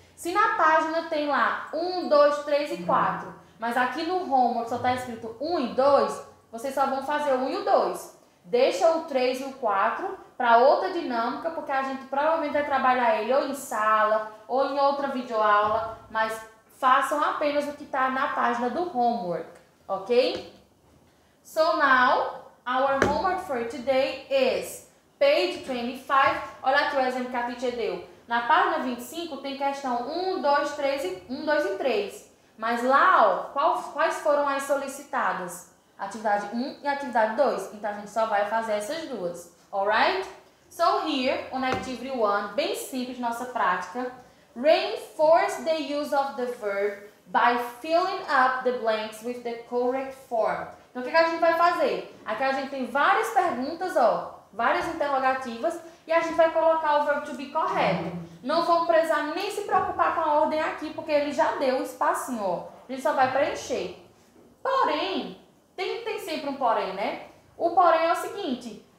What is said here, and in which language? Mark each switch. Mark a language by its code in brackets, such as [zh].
[pt] Se na página tem lá 1, 2, 3 e 4, mas aqui no homework só está escrito 1 e 2... Vocês só vão fazer o 1 e o 2. Deixa o 3 e o 4 para outra dinâmica, porque a gente provavelmente vai trabalhar ele ou em sala, ou em outra videoaula, mas façam apenas o que está na página do homework. [en] Okay? So now, our homework for today is page 25. [pt] Olha aqui o exemplo que a teacher deu. Na página 25 tem questão 1, 2, 3 e 1, 2 e 3. Mas lá, ó, quais foram as solicitadas? Atividade 1 e atividade 2. Então a gente só vai fazer essas duas. [en] Alright? So here, on activity 1, [pt] bem simples nossa prática. [en] Reinforce the use of the verb by filling up the blanks with the correct form. [pt] Então o que a gente vai fazer? Aqui a gente tem várias perguntas, ó, várias interrogativas. E a gente vai colocar o verb to be correto. Não vamos precisar nem se preocupar com a ordem aqui, porque ele já deu o espacinho, ó. A gente só vai preencher. Porém, tem sempre um porém, né? O porém é o seguinte.